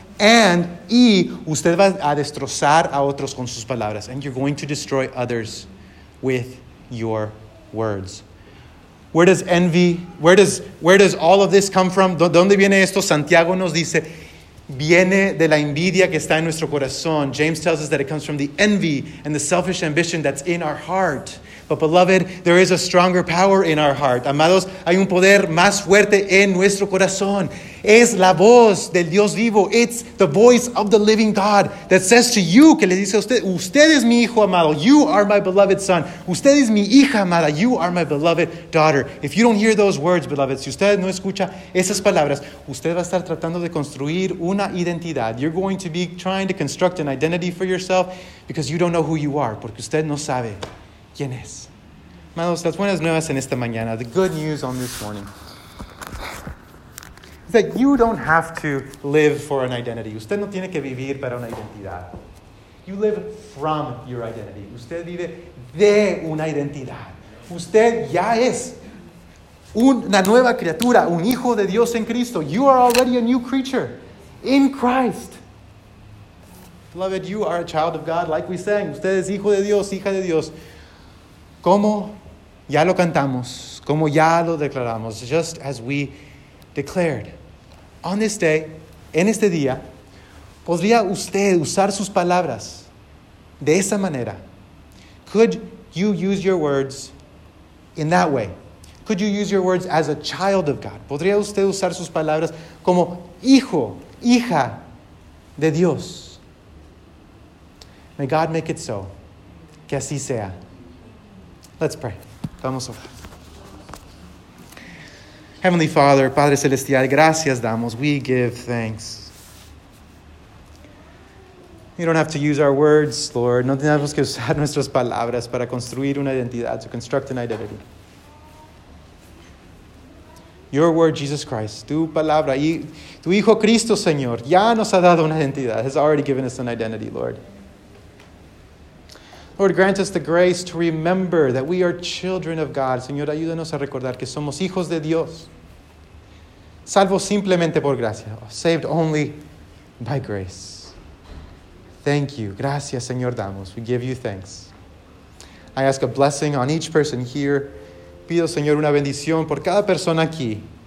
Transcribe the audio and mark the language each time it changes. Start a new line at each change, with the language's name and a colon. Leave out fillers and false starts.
Spanish: Y usted va a destrozar a otros con sus palabras.
English: And you're going to destroy others with your words. Where does envy, where does all of this come from?
Spanish: ¿Dónde viene esto? Santiago nos dice, viene de la envidia que está en nuestro corazón.
English: James tells us that it comes from the envy and the selfish ambition that's in our heart. But beloved, there is a stronger power in our heart.
Spanish: Amados, hay un poder más fuerte en nuestro corazón. Es la voz del Dios vivo.
English: It's the voice of the living God that says to you,
Spanish: que le dice a usted, usted es mi hijo amado.
English: You are my beloved son.
Spanish: Usted es mi hija amada.
English: You are my beloved daughter. If you don't hear those words, beloved,
Spanish: si usted no escucha esas palabras, usted va a estar tratando de construir una identidad.
English: You're going to be trying to construct an identity for yourself because you don't know who you are.
Spanish: Porque usted no sabe quién es. Amados, las buenas nuevas en esta mañana.
English: The good news on this morning. That you don't have to live for an identity.
Spanish: Usted no tiene que vivir para una identidad.
English: You live from your identity.
Spanish: Usted vive de una identidad. Usted ya es una nueva criatura, un hijo de Dios en Cristo.
English: You are already a new creature in Christ. Beloved, you are a child of God, like we sang.
Spanish: Usted es hijo de Dios, hija de Dios. Como ya lo cantamos, como ya lo declaramos,
English: just as we declared. On this day,
Spanish: en este día, ¿podría usted usar sus palabras de esa manera?
English: Could you use your words in that way? Could you use your words as a child of God?
Spanish: ¿Podría usted usar sus palabras como hijo, hija de Dios?
English: May God make it so.
Spanish: Que así sea.
English: Let's pray.
Spanish: Vamos a orar.
English: Heavenly Father,
Spanish: Padre Celestial, gracias damos.
English: We give thanks. You don't have to use our words, Lord.
Spanish: No tenemos que usar nuestras palabras para construir una identidad,
English: to construct an identity. Your word, Jesus Christ,
Spanish: tu palabra, y tu Hijo Cristo, Señor, ya nos ha dado una identidad,
English: has already given us an identity, Lord. Lord, grant us the grace to remember that we are children of God.
Spanish: Señor, ayúdanos a recordar que somos hijos de Dios. Salvo simplemente por gracia,
English: saved only by grace. Thank you.
Spanish: Gracias, Señor, damos.
English: We give you thanks. I ask a blessing on each person here.
Spanish: Pido, Señor, una bendición por cada persona aquí.